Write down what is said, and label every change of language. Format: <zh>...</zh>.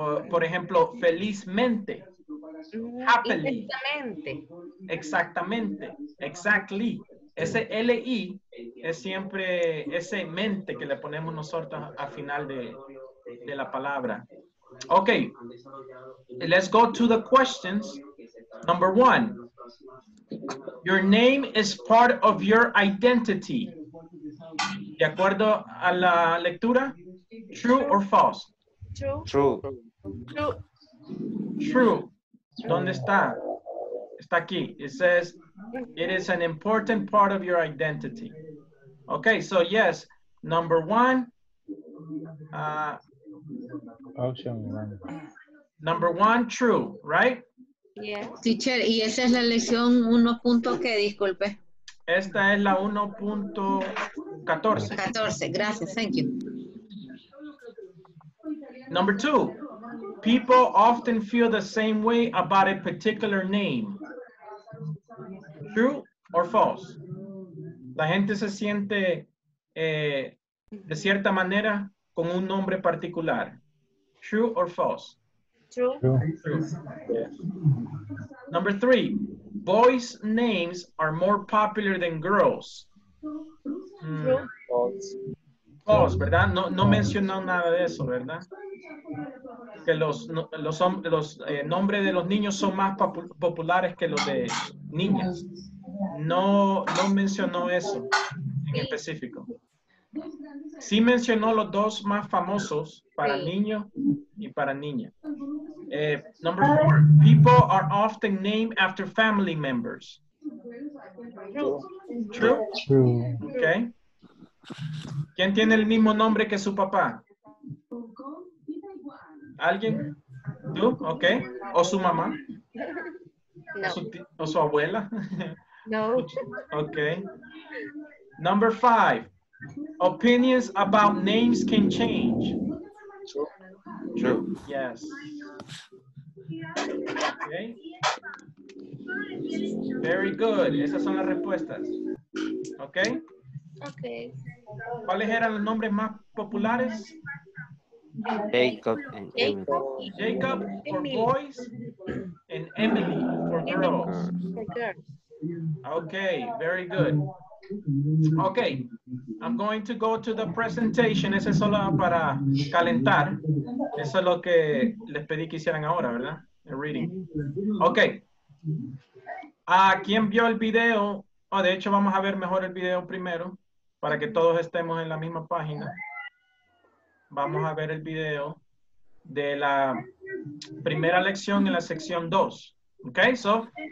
<es>Por ejemplo, felizmente, happily, exactamente, exactly, ese L-I es siempre ese mente que le ponemos nosotros al final de la palabra.</es> <en>Ok, let's go to the questions. Number one, your name is part of your identity.</en> <es>De acuerdo a la lectura,</es> <en>true or false? True.</en> <es>¿Dónde está? Está aquí.</es> <en>It says, it is an important part of your identity. Okay, so yes, number one. Option one. Number one, true, right? Yes.</en> <es>Teacher, y esa es la lección 1. ¿Qué? Disculpe. Esta es la 1.14. 14, gracias,</es> <en>thank you. Number two, people often feel the same way about a particular name. True or false?</en> <es>La gente se siente de cierta manera con un nombre particular.</es> <en>True or false? True. Yes. Number three, boys' names are more popular than girls. True. False.</en> <es>False, ¿verdad? No mencionó nada de eso, ¿verdad? Que los nombres de los niños son más populares que los de niñas. No mencionó eso en específico. Sí mencionó los dos más famosos para niños y para niñas.</es> <en>Number four, people are often named after family members. True. True. Okay.</en> <es>¿Quién tiene el mismo nombre que su papá? ¿Alguien? ¿Tú? ¿Ok? ¿O su mamá? No. ¿O su abuela? No.</es> <en>Ok. Number five. Opinions about names can change. True. Yes. Ok. Very good.</en> <es>Esas son las respuestas. Ok.</es> <en>Okay. ¿Cuáles eran los nombres más populares? Jacob and Emily. Jacob for boys and Emily for girls. Okay, very good. Okay, I'm going to go to the presentation.</en> <es>Ese es solo para calentar. Eso es lo que les pedí que hicieran ahora, ¿verdad? El reading. Okay. ¿A quién vio el video? Oh, de hecho, vamos a ver mejor el video primero. Para que todos estemos en la misma página, vamos a ver el video de la primera lección en la sección 2.</es> <en>Okay, so</en>